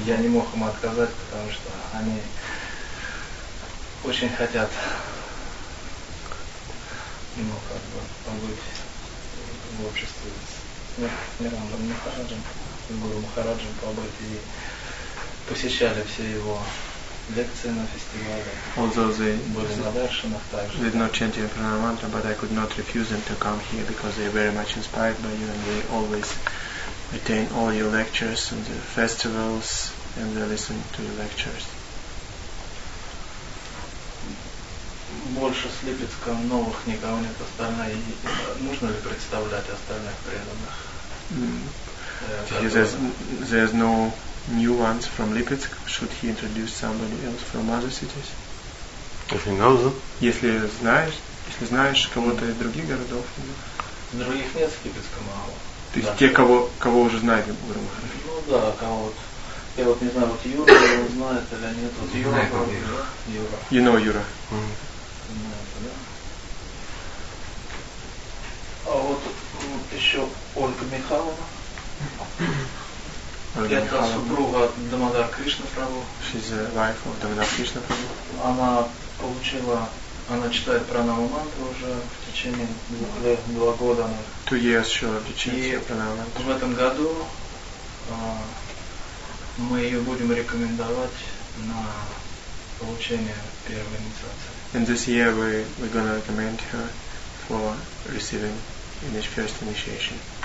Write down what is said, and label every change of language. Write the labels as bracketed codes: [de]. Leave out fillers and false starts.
[ru] Я не мог им отказать, потому что они очень хотят, ну, как бы, побыть в обществе с Нирандом Махараджем, Гуру Махараджем побыть и посещали все его лекции на фестивале. [en] Although they [ru] были на даршанах также. [en] Did not chant your pranam mantra, but I could not refuse them to come here because they are very much inspired by you and they always attain all your lectures and the festivals and they listen to your lectures. [ru] Больше с Липецка новых никого нет, остальное нужно ли представлять остальных преданных? [en] There's no new ones from Lipetsk. Should he introduce somebody else from other cities? If he knows them. [ru] Если знаешь кого-то из других городов. Других нет, с Липецка мало. То есть те, кого уже знают, я говорю. Ну да, кого. Я вот не знаю, вот Юра его знает или нет. Вот Юра. Юра. [en] You know Юра. [ru] А вот еще Ольга Михайловна. Это супруга Дамодар Кришна Прабху. [en] She's the wife of Дамодар Кришна Прабху. [ru] Она читает пранаму мантру уже в течение два года. [en] Two years she already chants pranaму [ru] мантру. В этом году мы ее будем рекомендовать на получение первой инициации. [en] And this year we're gonna recommend her for receiving first initiation.